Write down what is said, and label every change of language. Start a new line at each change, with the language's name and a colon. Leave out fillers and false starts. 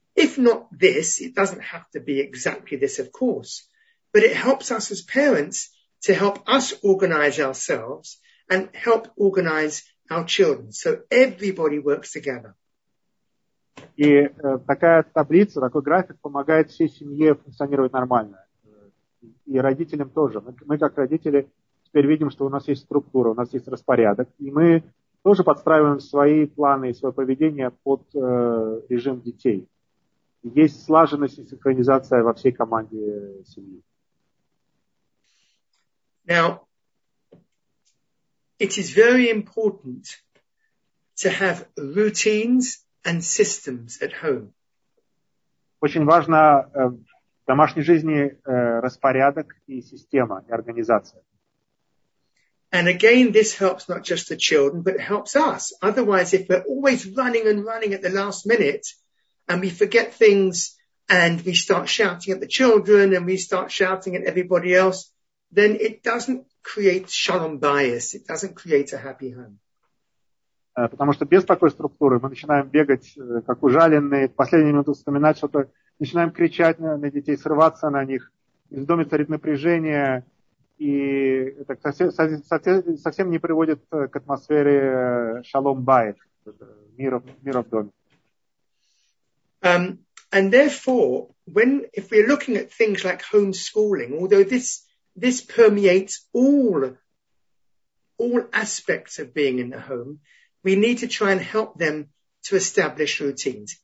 English: If not this, it doesn't have to be exactly this, of course. But it helps us as parents to help us organize ourselves and help organize our children. So everybody works together.
Russian: И такая таблица, такой график помогает всей семье функционировать нормально. И родителям тоже. Мы как родители теперь видим, что у нас есть структура, у нас есть распорядок. И мы тоже подстраиваем свои планы и свое поведение под режим детей. И есть слаженность и синхронизация во всей команде семьи.
English: Now, it is very important to have routines and systems at home.
Russian: Очень важно в домашней жизни распорядок и система, и организация.
English: And again, this helps not just the children, but it helps us. Otherwise, if we're always running and running at the last minute and we forget things and we start shouting at the children and we start shouting at everybody else, then it doesn't create shalom bias. It doesn't create a happy home.
Russian: Потому что без такой структуры мы начинаем бегать, как ужаленные, в последнюю минуту вспоминать что-то, начинаем кричать на детей, срываться на них, в доме царит напряжение, и это совсем не приводит к атмосфере шалом байт, мира в доме.
English: And therefore, if we're looking at things like homeschooling, although this permeates all aspects of being in the home, we need to try and help them to establish routines.